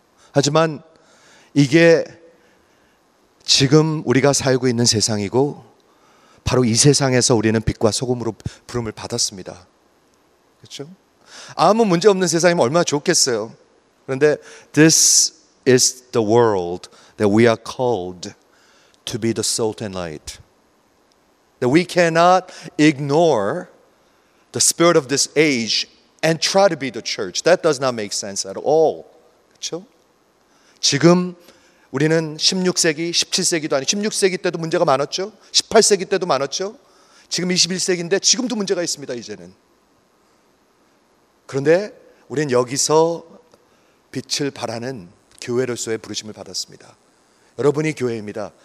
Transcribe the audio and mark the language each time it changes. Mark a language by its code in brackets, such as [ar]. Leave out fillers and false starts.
[ko] 하지만 이게 지금 우리가 살고 있는 세상이고 바로 이 세상에서 우리는 빛과 소금으로 부름을 받았습니다. 그렇죠? 아무 문제 없는 세상이면 얼마나 좋겠어요. [en] 그런데 this is the world that we are called to be the salt and light. That we cannot ignore the spirit of this age and try to be the church. That does not make sense at all. [ko] 그렇죠? 지금 우리는 16세기, 17세기도 아니고 16세기 때도 문제가 많았죠. 18세기 때도 많았죠. 지금 21세기인데 지금도 문제가 있습니다. 이제는. 그런데 우리는 여기서 빛을 발하는 교회로서의 부르심을 받았습니다. 여러분이 교회입니다.